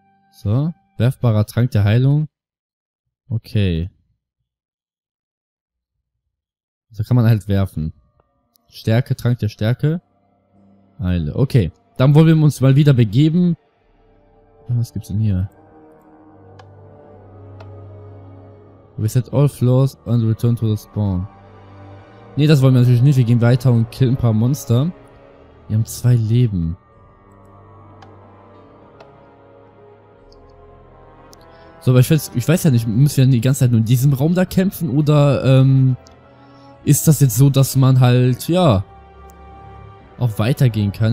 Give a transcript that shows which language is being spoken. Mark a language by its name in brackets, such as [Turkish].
[German] So. Werfbarer Trank der Heilung. Okay. So kann man halt werfen. Stärke, Trank der Stärke. Heile. Okay. Dann wollen wir uns mal wieder begeben. Was gibt's denn hier? [English] We set all floors and return to the spawn. [German] Nee, das wollen wir natürlich nicht. Wir gehen weiter und killen ein paar Monster. Wir haben 2 Leben. So, aber ich weiß ja nicht, müssen wir die ganze Zeit nur in diesem Raum da kämpfen oder ist das jetzt so, dass man halt, ja, auch weitergehen kann?